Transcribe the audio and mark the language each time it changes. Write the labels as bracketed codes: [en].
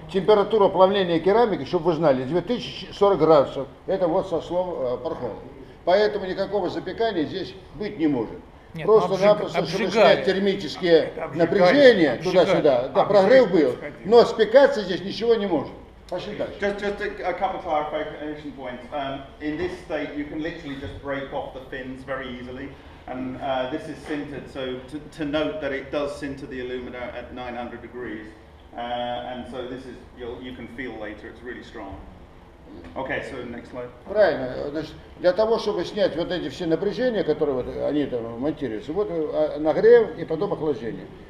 [ru] Температура плавления керамики, чтобы вы знали, 2040 градусов. Это вот со слов Пархома. Поэтому никакого запекания здесь быть не может. Нет, просто-напросто, чтобы снять термические напряжения туда-сюда. Да, прогрев был. Но спекаться здесь ничего не может. [en] Just a couple of clarification points. In this state, you can literally just break off the fins very easily. And this is sintered, so to note that it does sinter the alumina at 900 degrees. And so this is, you can feel later, it's really strong. Okay, so next slide. [ru] Правильно. Значит, для того, чтобы снять вот эти все напряжения, которые вот они там монтируются, вот нагрев и потом охлаждение.